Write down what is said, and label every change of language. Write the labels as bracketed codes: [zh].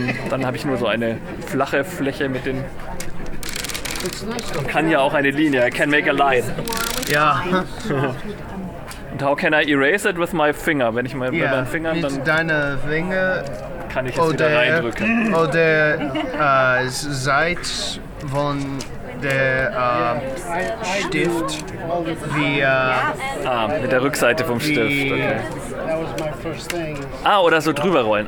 [de] Dann habe ich nur so eine flache Fläche mit den... Kann ja auch eine Linie, [en] I can make a line. [de] Ja. [en] And how can I erase it with my finger? [de] Wenn ich mal mit meinen Fingern dann... Mit deiner Finger... Kann ich es wieder reindrücken. Oder seit von... der Stift wie mit der Rückseite vom Stift, okay. Ah, oder so drüber rollen.